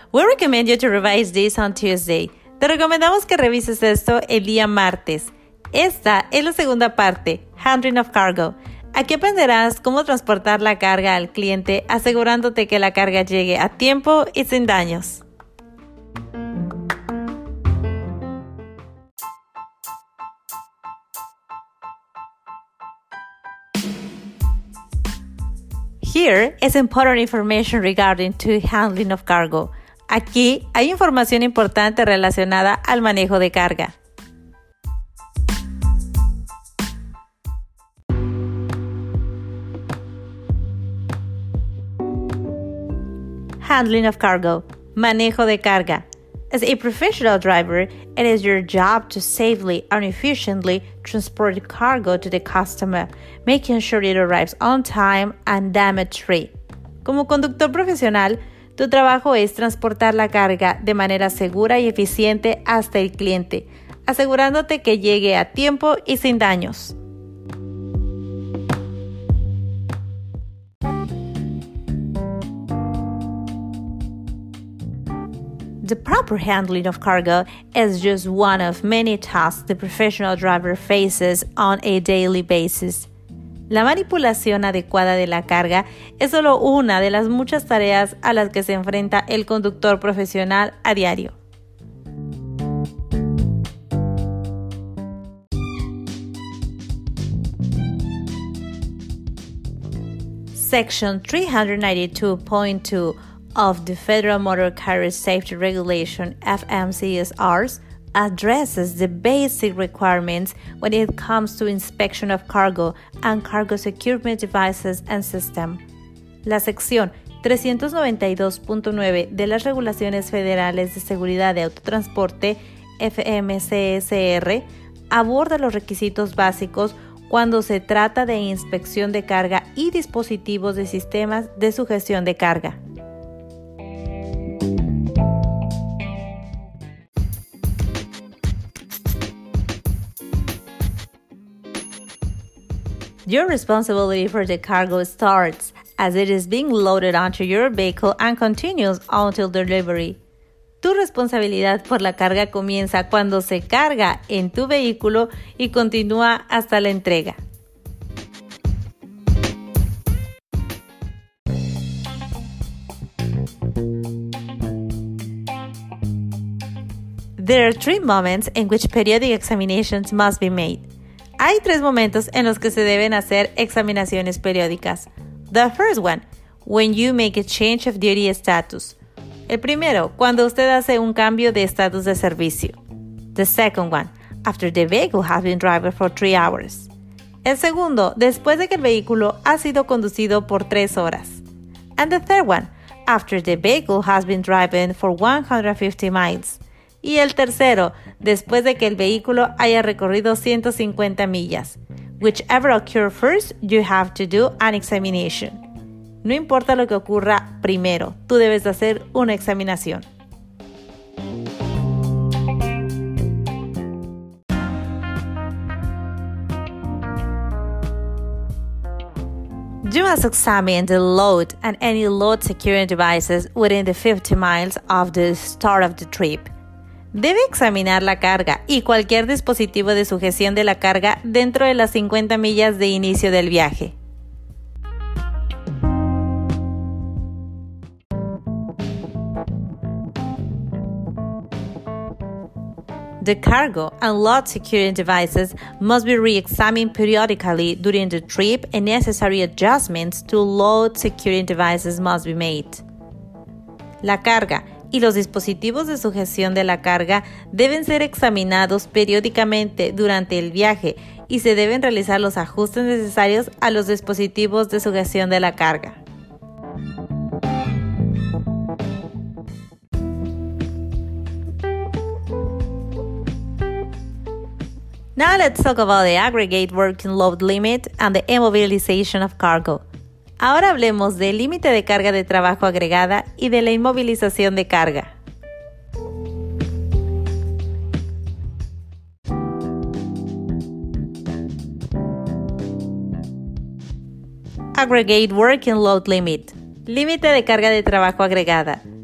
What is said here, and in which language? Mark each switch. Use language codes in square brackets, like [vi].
[en] We recommend you to revise this on Tuesday. [es] Te recomendamos que revises esto el día martes. Esta es la segunda parte, [en] Handling of Cargo. [es] Aquí aprenderás cómo transportar la carga al cliente asegurándote que la carga llegue a tiempo y sin daños. [en] Here is important information regarding to handling of cargo. [es] Aquí hay información importante relacionada al manejo de carga. [en] Handling of cargo, [es] manejo de carga. [en] As a professional driver, it is your job to safely and efficiently transport cargo to the customer, making sure it arrives on time and damage-free. [es] Como conductor profesional, tu trabajo es transportar la carga de manera segura y eficiente hasta el cliente, asegurándote que llegue a tiempo y sin daños. [en] The proper handling of cargo is just one of many tasks the professional driver faces on a daily basis. [es] La manipulación adecuada de la carga es solo una de las muchas tareas a las que se enfrenta el conductor profesional a diario. [en] Section 392.2 of the Federal Motor Carrier Safety Regulation, FMCSRs, addresses the basic requirements when it comes to inspection of cargo and cargo securement devices and system. [es] La sección 392.9 de las Regulaciones Federales de Seguridad de Autotransporte, FMCSR, aborda los requisitos básicos cuando se trata de inspección de carga y dispositivos de sistemas de sujeción de carga. [en] Your responsibility for the cargo starts as it is being loaded onto your vehicle and continues until delivery. [es] Tu responsabilidad por la carga comienza cuando se carga en tu vehículo y continúa hasta la entrega. [en] There are three moments in which periodic examinations must be made. [es] Hay tres momentos en los que se deben hacer examinaciones periódicas. [en] The first one, when you make a change of duty status. [es] El primero, cuando usted hace un cambio de estatus de servicio. [en] The second one, after the vehicle has been driven for 3 hours. [es] El segundo, después de que el vehículo ha sido conducido por 3 horas. [en] And the third one, after the vehicle has been driven for 150 miles. [es] Y el tercero, después de que el vehículo haya recorrido 150 millas. [en] Whichever occur first, you have to do an examination. [es] No importa lo que ocurra primero, tú debes de hacer una examinación. [en] You must examine the load and any load securing devices within the 50 miles of the start of the trip. [es] Debe examinar la carga y cualquier dispositivo de sujeción de la carga dentro de las 50 millas de inicio del viaje. [en] The cargo and load securing devices must be re-examined periodically during the trip and necessary adjustments to load securing devices must be made. [es] La carga y los dispositivos de sujeción de la carga deben ser examinados periódicamente durante el viaje y se deben realizar los ajustes necesarios a los dispositivos de sujeción de la carga. [en] Now let's talk about the aggregate working load limit and the immobilization of cargo. [es] Ahora hablemos del límite de carga de trabajo agregada y de la inmovilización de carga. [en] Aggregate working load limit. [es] Límite de carga de trabajo agregada.